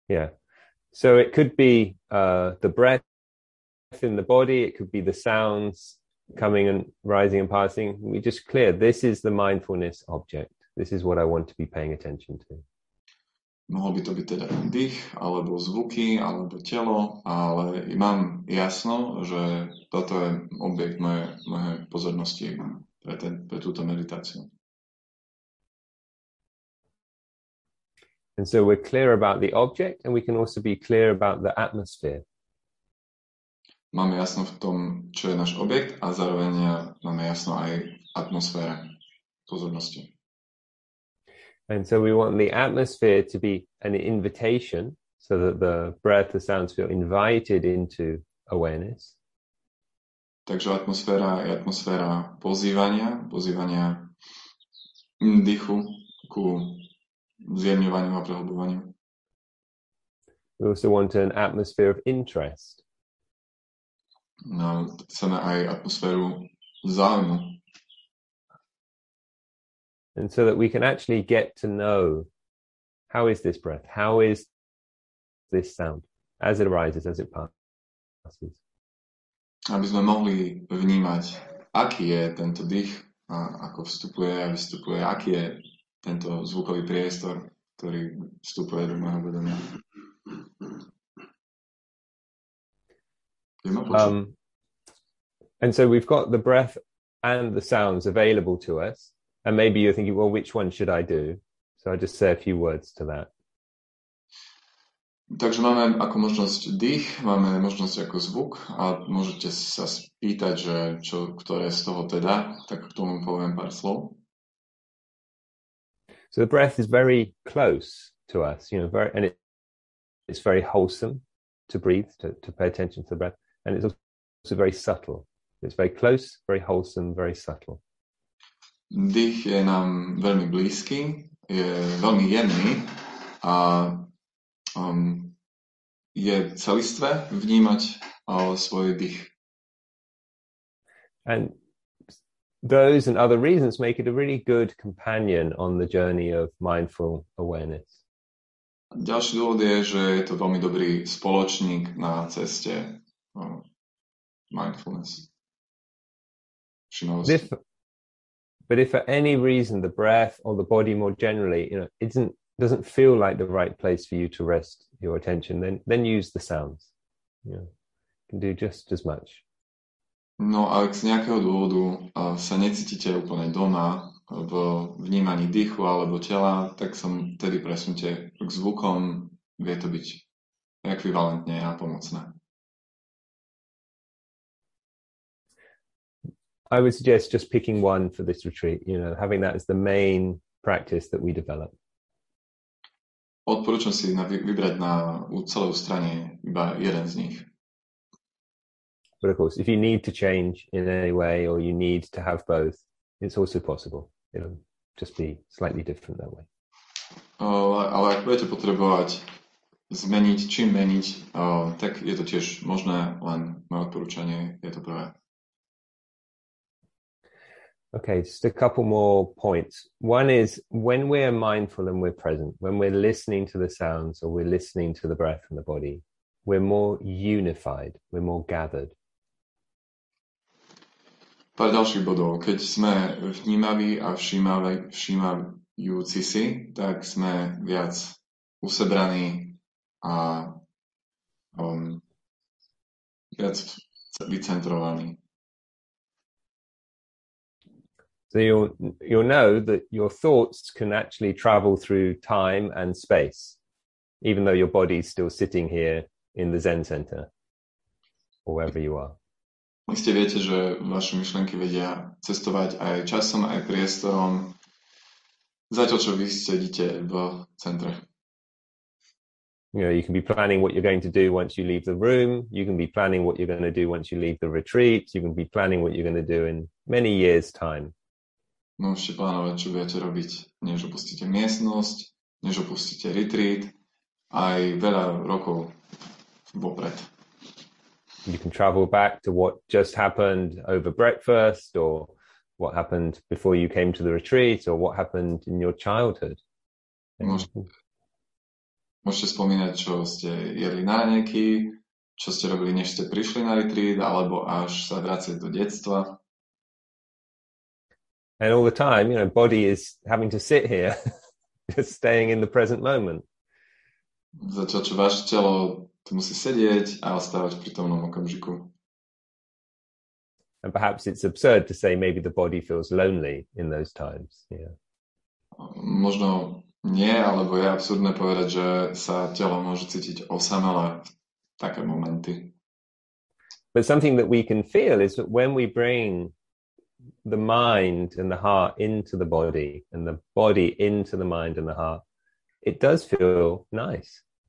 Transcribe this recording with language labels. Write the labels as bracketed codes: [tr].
[en] Yeah. So it could be the breath in the body. It could be the sounds coming and rising and passing. We just clear. This is the mindfulness object. This is what I want to be paying attention to. [sk] Mohol by to byť teda dých, alebo zvuky, alebo telo, ale mám jasno, že toto je objekt mojej pozornosti pre túto meditáciu. [en] And so we're clear about the object and we can also be clear about the atmosphere. [sk] Máme jasno v tom, čo je náš objekt a zároveň máme jasno aj atmosféra pozornosti. [en] And so we want the atmosphere to be an invitation so that the breath, the sounds feel invited into awareness. [sk] Takže atmosféra je atmosféra pozývania dýchu ku zjemňovaniu a prehlbovaniu. [en] We also want an atmosphere of interest. [sk] No, chceme aj atmosféru záujmu. [en] And so that we can actually get to know how is this breath, how is this sound as it arises, as it passes. [sk] Aby sme mohli vnímať, aký je tento dých, a ako vstupuje a vystupuje, aký je tento zvukový priestor, ktorý vstupuje do môjho vedomia. [en] And so we've got the breath and the sounds available to us. And maybe you're thinking, well, which one should I do? So I'll just say a few words to that. [sk] Takže máme ako možnosť dých, máme možnosť ako zvuk a môžete sa spýtať, že čo, ktoré z toho teda, tak k tomu poviem pár slov. [en] So the breath is very close to us, you know, very, and it's very wholesome to breathe, to pay attention to the breath. And it's also very subtle. It's very close, very wholesome, very subtle. [sk] Dých je nám veľmi blízky, je veľmi jemný a je celistvé vnímať svoj dých. [en] And those and other reasons make it a really good companion on the journey of mindful awareness. [sk] Ďalší dôvod je, že je to veľmi dobrý spoločník na ceste mindfulness. Všimnosť. [en] But if for any reason the breath or the body more generally, you know, doesn't feel like the right place for you to rest your attention, then use the sounds. You know, can do just as much. [sk] No, ak z nejakého dôvodu sa necítite úplne doma v vnímaní dýchu alebo tela, tak som tedy presunte k zvukom, vie to byť ekvivalentne a pomocné. [en] I would suggest just picking one for this retreat, you know, having that as the main practice that we develop. [sk] Odporúčam si vybrať na celú stranu iba jeden z nich. [en] But of course, if you need to change in any way or you need to have both, it's also possible. It'll just be slightly different that way. [sk] Ale ak budete potrebovať zmeniť, čím meniť, tak je to tiež možné, len moje odporúčanie je to prvé. [en] Okay, just a couple more points. One is when we're mindful and we're present, when we're listening to the sounds or we're listening to the breath and the body, we're more unified, we're more gathered. [sk] Pár ďalších bodov. Keď sme vnímaví a všímajúci si, tak sme viac usebraní a viac vycentrovaný. [en] So you'll know that your thoughts can actually travel through time and space, even though your body is still sitting here in the Zen center, or wherever you are. [sk] Iste viete, že vaše myšlenky vedia cestovať aj časom, aj priestorom, zatiaľ čo vy sedíte v centre. [en] You know, you can be planning what you're going to do once you leave the room. You can be planning what you're going to do once you leave the retreat. You can be planning what you're going to do in many years' time. [sk] Môžete plánovať, čo budete robiť, než opustíte miestnosť, než opustíte retreat, aj veľa rokov vopred. [en] You can travel back to what just happened over breakfast, or what happened before you came to the retreat, or what happened in your childhood. [sk] Môžete spomínať, čo ste jedli na ranejky, čo ste robili, než ste prišli na retreat, alebo až sa vracieť do detstva. [en] And all the time, you know, body is having to sit here, just staying in the present moment. [sk] Zatiaľ, čo vaše telo to musí sedieť a ostávať v prítomnom okamžiku. [en] And perhaps it's absurd to say maybe the body feels lonely in those times. Yeah. [sk] Možno nie, alebo je absurdné povedať, že sa telo môže cítiť osamelé v také momenty. [en] But something that we can feel is that when we bring the mind and the heart into the body and the body into the mind and the heart, it does feel nice.